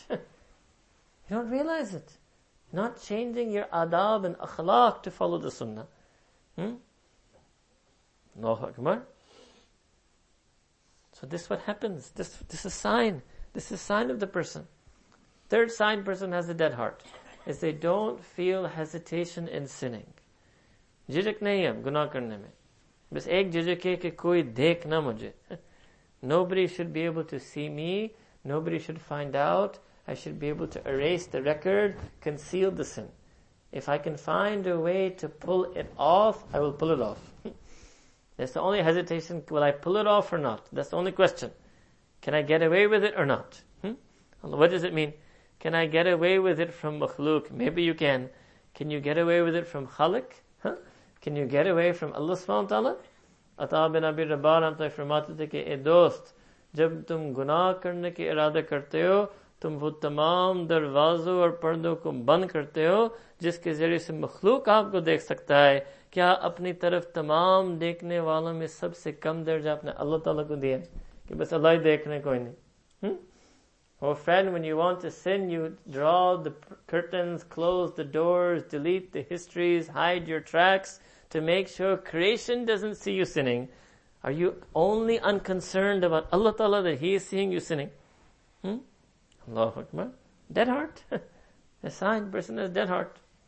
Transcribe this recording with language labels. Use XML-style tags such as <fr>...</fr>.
<en>You don't realize it. Not changing your adab and akhlaq to follow the sunnah. Allahu Akbar. So this is what happens. This is a sign. This is a sign of the person. Third sign, person has a dead heart, is they don't feel hesitation in sinning.</en> <ur>جِھجک نہیں ہے، گناہ کرنے میں۔ بس ایک جِھجک ہے کہ کوئی دیکھ نہ مجھے۔</ur> <en>Nobody should be able to see me. Nobody should find out. I should be able to erase the record, conceal the sin. If I can find a way to pull it off, I will pull it off. That's the only hesitation. Will I pull it off or not? That's the only question. Can I get away with it or not? What does it mean? Can I get away with it from makhluk? Maybe you can. Can you get away with it from khalik? Huh? Can you get away from Allah subhanahu wa ta'ala?</en> <ur>عطاء بن ابی رباح رحمۃ اللہ فرماتے تھے کہ اے دوست، جب تم گناہ کرنے کے ارادہ کرتے ہو، تم وہ تمام دروازوں اور پردوں کو بند کرتے ہو، جس کے ذریعے سے مخلوق آپ کو دیکھ سکتا ہے، کیا اپنی طرف تمام دیکھنے والوں میں سب سے کم درجہ اپنے اللہ تعالیٰ کو دیا؟ کہ بس اللہ ہی دیکھنے کوئی نہیں۔</ur> <en>Oh friend, when you want to sin, you draw the curtains, close the doors, delete the histories, hide your tracks to make sure creation doesn't see you sinning. Are you only unconcerned about Allah Ta'ala that He is seeing you sinning? Allahu Akbar. Dead heart. A sign, person has dead heart.</en>